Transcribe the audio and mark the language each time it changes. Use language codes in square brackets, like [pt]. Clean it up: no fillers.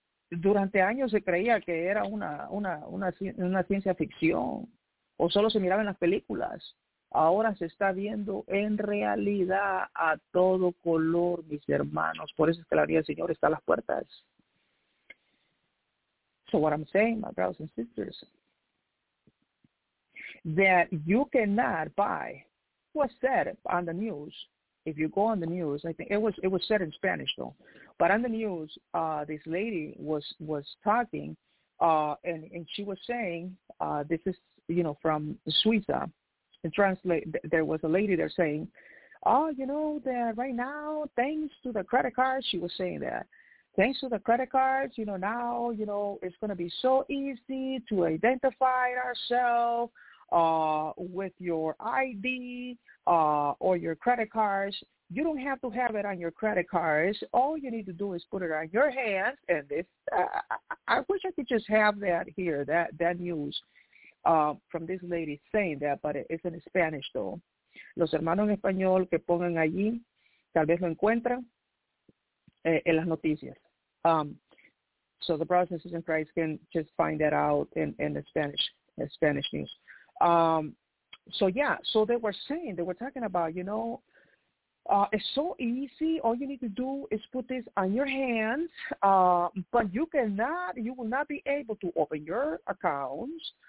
[es] Durante años se creía que era una ciencia ficción o solo se miraba en las películas. Ahora se está viendo en realidad a todo color, mis hermanos. Por eso es que la vida del Señor está a las puertas. [en] So what I'm saying, my brothers and sisters, that you cannot buy what's said on the news. If you go on the news, I think it was said in Spanish though. But on the news, this lady was talking, and she was saying, this is, you know, from Suiza. And translate, there was a lady there saying, oh, you know, that right now, thanks to the credit cards, she was saying that. Thanks to the credit cards, you know, now, you know, it's going to be so easy to identify ourselves with your ID or your credit cards. You don't have to have it on your credit cards. All you need to do is put it on your hands. And this, I wish I could just have that here, that news from this lady saying that, but it's in Spanish, though. [es] Los hermanos en español que pongan allí, tal vez lo encuentran en las noticias. [en] So the brothers and sisters in Christ can just find that out in the Spanish news. So they were talking about, you know, it's so easy. All you need to do is put this on your hands, but you will not be able to open your accounts.